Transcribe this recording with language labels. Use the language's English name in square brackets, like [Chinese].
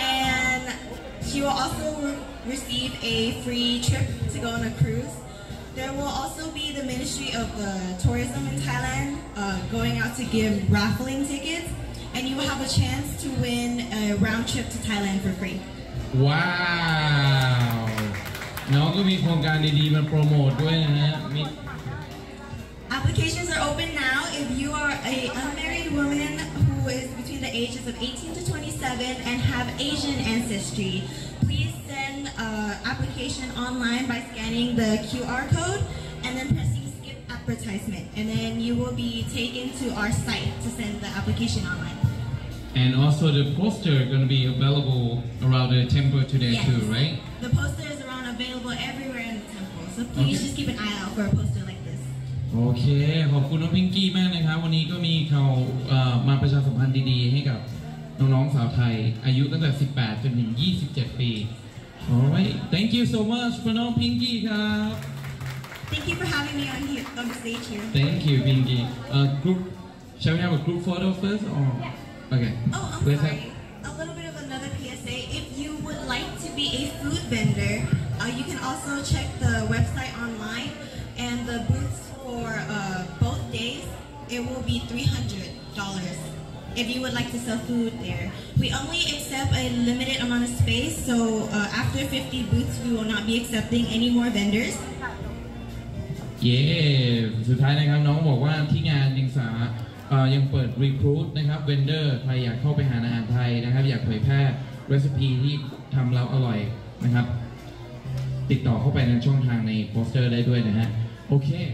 [English] And she will also receive a free trip to go on a cruise. There will also be the Ministry of the Tourism in Thailand going out to give raffling tickets. And you will have a chance to win a round trip to Thailand for free. Wow! [Thai] น้องก็มีโครงการดีๆมาโปรโมทด้วยนะฮะ [English] Applications are open now. If you are a unmarried woman who is between the ages of 18 to 27 and have Asian ancestry, please send application online by scanning the QR code and then pressing skip advertisement. And then you will be taken to our site to send the application online. And also the poster is going to be available around the temple today yes. too, right? The poster is available everywhere in the temple. [Thai] Okay, ขอบคุณน้องพิงกี้มากนะครับวันนี้ก็มีเขามาประชาสัมพันธ์ดีๆให้กับน้องๆสาวไทยอายุตั้งแต่18จนถึง27ปี [English] Alright, thank you so much for [Thai] น้องพิงกี้ครับ [English] Thank you for having me on here on the stage here. Thank you, Pinky. Group, shall we have a group photo first or? Yeah. Okay. Oh, I'm sorry. A little bit of another PSA. If you would like to be a food vendor, you can also check the website online and the booths for both days. It will be $300 if you would like to sell food there. We only accept a limited amount of space, so after 50 booths, we will not be accepting any more vendors. [Thai] Yeah, สุดท้ายนะครับน้องบอกว่าที่งานยังสาอยังเปิด recruit นะครับ vendor ใครอยากเข้าไปหาอาหารไทยนะครับอยากเผยแพร่ recipe ที่ทำแล้วอร่อยนะครับติดต่อเข้าไปในช่องทางในโปสเตอร์ได้ด้วยนะฮะโอเค